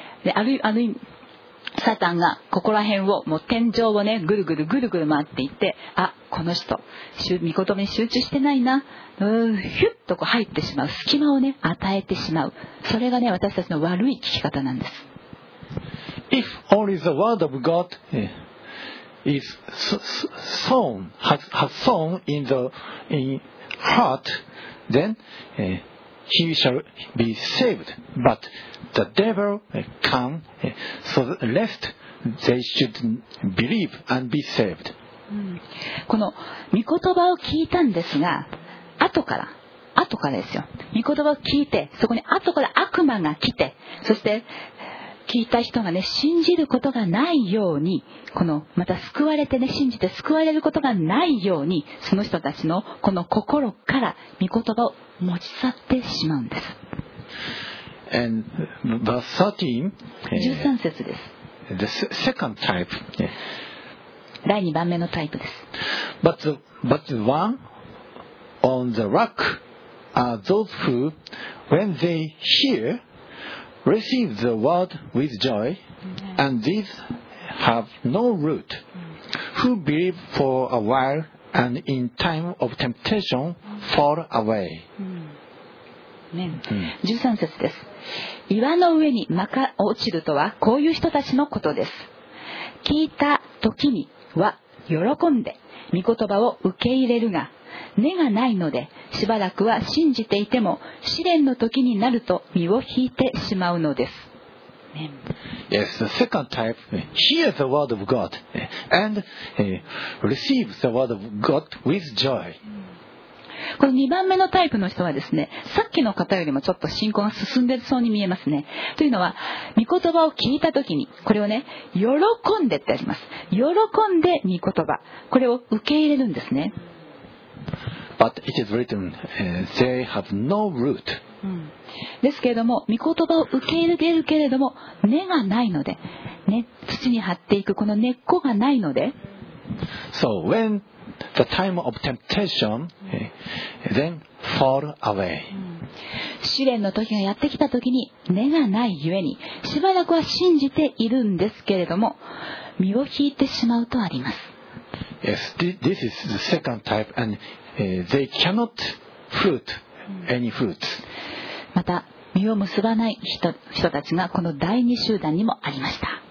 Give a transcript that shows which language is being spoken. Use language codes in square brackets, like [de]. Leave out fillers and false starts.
[ja] で、ある意味サタンがここら辺をもう天井をね、ぐるぐるぐるぐる回っていって、あ、この人御言葉に集中してないな、うん、ヒュッとこう入ってしまう隙間をね、与えてしまう。それがね、私たちの悪い聞き方なんです。 [en] If only the word of God. Is sown, has sown in the heart, then he shall be saved. But the devil come, so lest they should believe and be saved. [ja] この御言葉を聞いたんですが、後からですよ。御言葉を聞いて、そこに後から悪魔が来て、そして聞いた人がね、信じることがないように、このまた救われてね、信じて救われることがないように、その人たちのこの心から御言葉を持ち去ってしまうんです。 [en] And verse 13 [ja] 節です。 [en] The second type、 [ja] 第2番目のタイプです。 [en] But the one on the rock are those who when they hearReceive the word with joy, and these have no root, who believe for a while, and in time of temptation fall away.、 [ja] うんね、13節です。岩の上にまか落ちるとはこういう人たちのことです。聞いた時には喜んで御言葉を受け入れるが、根がないのでしばらくは信じていても試練の時になると身を引いてしまうのです、ね、 [en] Yes, the second type hear the word of God and receive the word of God with joy. [ja] この2番目のタイプの人はですね、さっきの方よりもちょっと信仰が進んでいそうに見えますね。というのは、御言葉を聞いた時にこれをね、喜んでってあります。喜んで御言葉、これを受け入れるんですね。 [en] But it is written, they have no root. [ja] ですけれども、御言葉を受け入れるけれども根がないので、ね、土に張っていくこの根っこがないので、 [en] So when the time of temptation, then fall away. [ja] 試練の時がやってきた時に根がないゆえに、しばらくは信じているんですけれども身を引いてしまうとあります。 [en] Yes, this is the second type, and they cannot fruit any fruits. [ja] また実を結ばない 人たちがこの第二集団にもありました。